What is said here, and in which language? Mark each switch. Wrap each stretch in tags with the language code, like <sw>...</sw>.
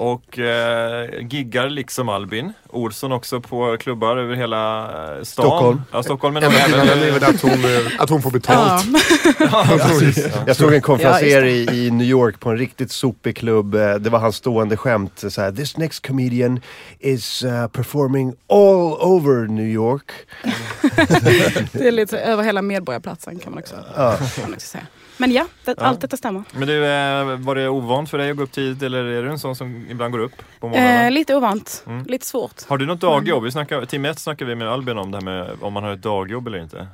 <sv>Och giggar liksom Albin Olsson också på klubbar över hela stan. Stockholm. Ja, Stockholm. Men att hon får betalt. Jag såg en konferenser i New York på en riktigt sopig klubb. Det var hans stående skämt. Så här,</sv> <en>this next comedian is performing all over New York.</en> <sv>Det är lite över hela medborgarplatsen kan man också, säga. Men ja, allt detta stämmer. Men var det ovant för dig att gå upp tidigt, eller är du en sån som ibland går upp på morgonen? Lite ovant, lite svårt. Har du något dagjobb? Timme 1 snackar vi med Albin om det här med om man har ett dagjobb eller inte.</sv>